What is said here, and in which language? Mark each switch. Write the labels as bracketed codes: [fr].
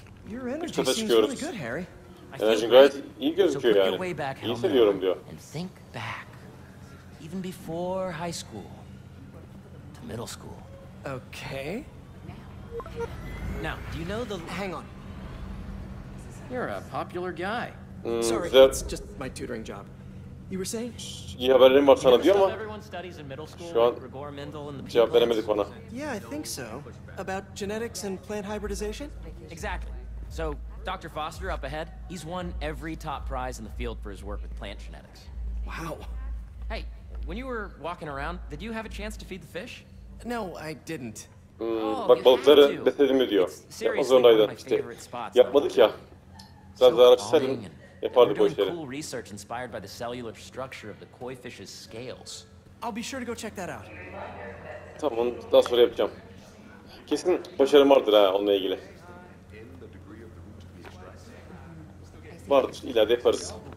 [en] Your energy seems really good, Harry. [tr] Enerjin gayet iyi gözüküyor yani. İyi hissediyorum diyor. [en] And think back, even before high school, to middle school. Okay. Now, do you know the... Hang on. You're a popular guy. Sorry, that's just my tutoring job. You were saying? [tr] İyi haberlerim var sana diyor ama... Şu an cevap veremedik bana. [en] Yeah, I think so. About genetics and plant hybridization? Exactly. So, Dr. Foster up ahead, he's won every top prize in the field for his work with plant genetics. Wow. Hey, when you were walking around, did you have a chance to feed the fish? No, I didn't. [tr] Bak balıkları besledim mi diyor. Yapma zorundaydı işte. Yapmadık ya. Sen zaten açısaydın yapardık o işleri. [en] Cool research inspired by the cellular structure of the koi fish's scales. I'll be sure to go check that out. [tr] Tamam, onu daha sonra yapacağım. Kesin başarım vardır ha onunla ilgili. Vardır, ileride yaparız.